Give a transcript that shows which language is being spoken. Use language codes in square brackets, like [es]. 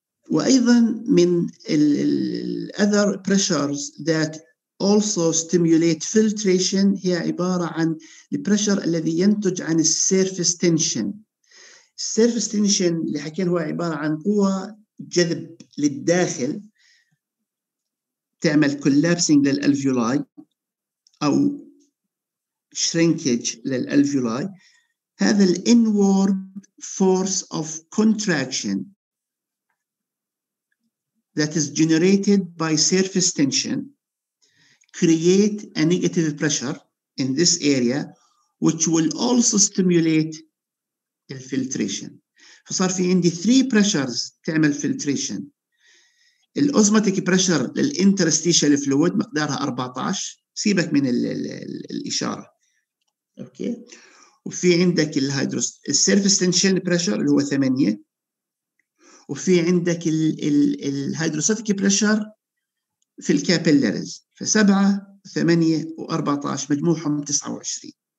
[ar] وأيضا من الأذر بريشرز ذات [en] also stimulate filtration [ar] هي عبارة عن البريشر الذي ينتج عن السيرفس تنشن. السيرفس تنشن اللي حكينا هو عبارة عن قوة جذب للداخل تعمل collapsing للألفيولاي أو shrinkage للألفيولاي. هذا ال [en] inward force of contraction that is generated by surface tension create a negative pressure in this area which will also stimulate infiltration. [ar] فصار في عندي [en] three pressures [ar] تعمل filtration. الأوزماتيك pressure للانترستيشال فلويد مقدارها 14، سيبك من الإشارة. أوكي. وفي عندك surface tension pressure اللي هو 8، وفي عندك الهيدروستاتيك بريشر في الكابيلاريز فسبعة وثمانية واربعتاش مجموعهم 29.